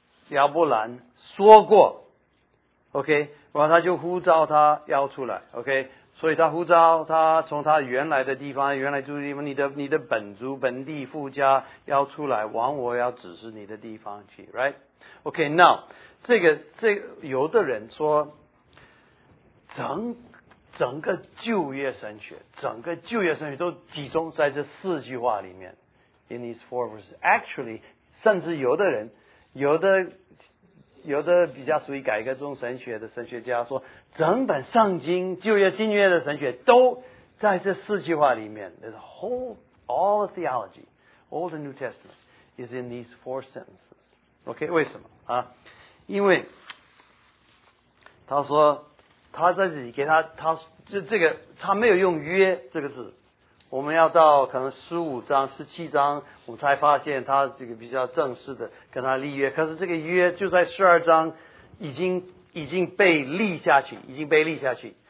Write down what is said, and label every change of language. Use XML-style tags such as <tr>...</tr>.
<zh>亚伯兰说过 ，OK， 然后他就呼召他要出来 ，OK， 所以他呼召他从他原来的地方，原来住的地方，你的本族本地父家要出来，往我要指示你的地方去 ，</zh> <en>Right？OK，、okay, now</en> <zh>这个有的人说，整个旧约神学，整个旧约神学都集中在这四句话里面 ，</zh> <en>in these four verses。 Actually，</en> <zh>甚至有的人。有的比较属于改革中神学的神学家说，整本圣经旧约新约的神学都在这四句话里面。</zh> <en>The whole all the theology, all the New Testament is in these four sentences.</en> <zh>OK， 为什么啊？因为他说他在这里给他这个他没有用约这个字。我们要到可能十五章、十七章，我们才发现他这个比较正式的跟他立约。可是这个约就在十二章已经被立下去，已经被立下去。</zh>